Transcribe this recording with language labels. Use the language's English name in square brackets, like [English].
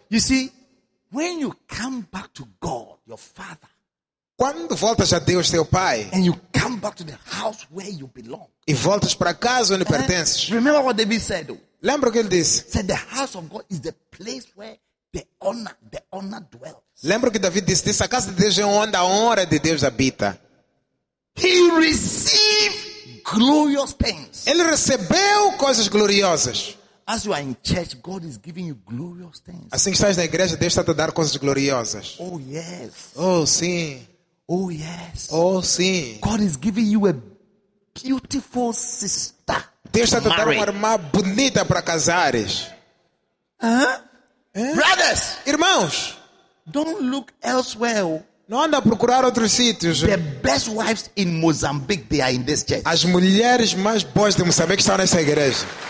[English] You see, when you come back to God, your father. [Portuguese] Quando voltas a Deus, teu pai. [English] And you come back to the house where you belong. [Portuguese] E voltas para casa onde pertences. [English] Remember what David said. [Portuguese] Lembra o que ele disse? [English] Said the house of God is the place where the honor dwells. [Portuguese] Lembro que David disse, a casa de Deus é onde a honra de Deus habita. [English] He received glorious things. [Portuguese] Ele recebeu coisas gloriosas. [English] As you are in church, God is giving you glorious things. [Portuguese] Assim que estás na igreja, Deus está te dar coisas gloriosas. [English] Oh yes. [Portuguese] Oh sim. [English] Oh yes. [Portuguese] Oh sim. [English] God is giving you a beautiful sister. [Portuguese] Deus está te dar uma irmã bonita para casares. Uh-huh. É? [English] Brothers, [Portuguese] irmãos, [English] don't look elsewhere. [Portuguese] Não anda a procurar outros sítios. [English] The best wives in Mozambique, they are in this church. [Portuguese] As mulheres mais boas de Moçambique estão nessa igreja.